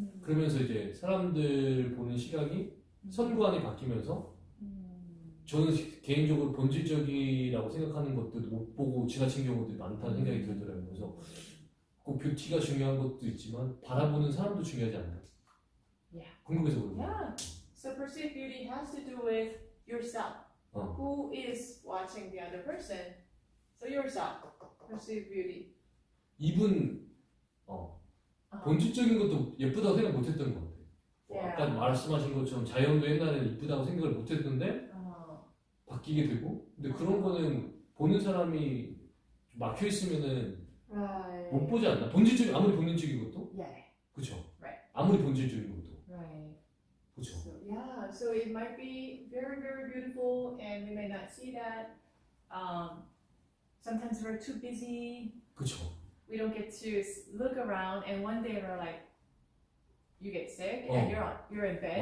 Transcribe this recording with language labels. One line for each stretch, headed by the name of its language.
Korean: 그러면서 이제 사람들 보는 시각이 선관이 바뀌면서 저는 개인적으로 본질적이라고 생각하는 것들 못 보고 지나친 경우들이 많다는 생각이 들더라고요. 그래서 꼭 뷰티가 중요한 것도 있지만 바라보는 사람도 중요하지 않나.
English: Yeah.
Korean: 궁금해서 그런 거예요.
English: Yeah. So perceived beauty has to do with yourself.
Korean: 어.
English: Who is watching the other person? So yourself. Perceived beauty.
Korean: 이분 본질적인 것도 예쁘다고 생각 못했던 것 같아요. 아까 말씀하신 것처럼 자연도 옛날에는 이쁘다고 생각을 못했는데 바뀌게 되고 근데 그런 거는 보는 사람이 막혀있으면은 못 보지 않나? 본질적인 아무리 본질적인 것도? 예. 그쵸?
English: Right.
Korean: 아무리 본질적인 것도?
English: Right.
Korean: 그쵸?
English: So, yeah. So it might be very very beautiful and we may not see that. Sometimes we're too busy.
Korean: 그쵸?
English: We don't get to look around and one day we're like you get sick and you're in bed.